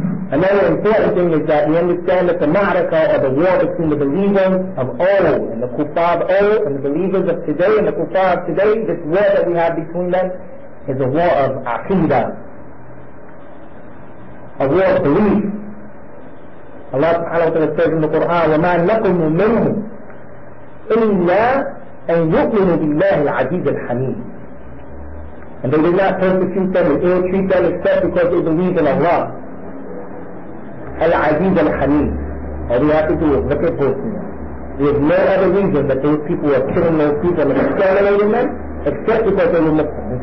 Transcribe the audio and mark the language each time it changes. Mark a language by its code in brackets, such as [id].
[en] Another important thing is that we understand that the ma'arakah, or the war between the believers of old and the kuffar of old, and the believers of today and the kuffar of today, this war that we have between them is a war of aqidah, a war of belief. Allah subhanahu wa ta'ala says in the Quran, [ar] وَمَا نَقُمُ مِنْهُمْ إِلَّا أَنْ يُؤْمِنُ بِاللَّهِ الْعَزِيزِ الْحَمِيدِ. [en] And they did not persecute them and ill-treat them except because they believe in Allah. Al-Aziz al-Hamid. All you have to do is look at Bosnia. There's no other reason that those people are killing those people and exterminating them, except because they were Muslims.